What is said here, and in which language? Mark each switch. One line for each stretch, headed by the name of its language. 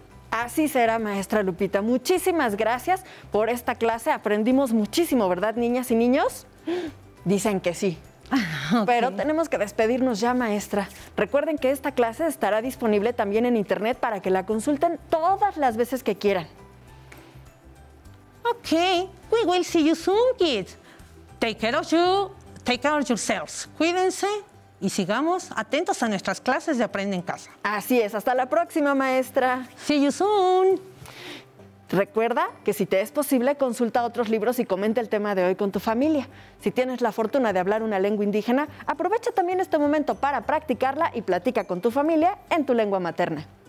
Spanish: Así será, maestra Lupita. Muchísimas gracias por esta clase. Aprendimos muchísimo, ¿verdad, niñas y niños? Dicen que sí. Okay. Pero tenemos que despedirnos ya, maestra. Recuerden que esta clase estará disponible también en internet para que la consulten todas las veces que quieran.
English: Ok, we will see you soon, kids. Take care of you, take care of yourselves.
Spanish: Cuídense y sigamos atentos a nuestras clases de Aprende en Casa. Así es, hasta la próxima, maestra.
English: See you soon.
Spanish: Recuerda que si te es posible, consulta otros libros y comenta el tema de hoy con tu familia. Si tienes la fortuna de hablar una lengua indígena, aprovecha también este momento para practicarla y platica con tu familia en tu lengua materna.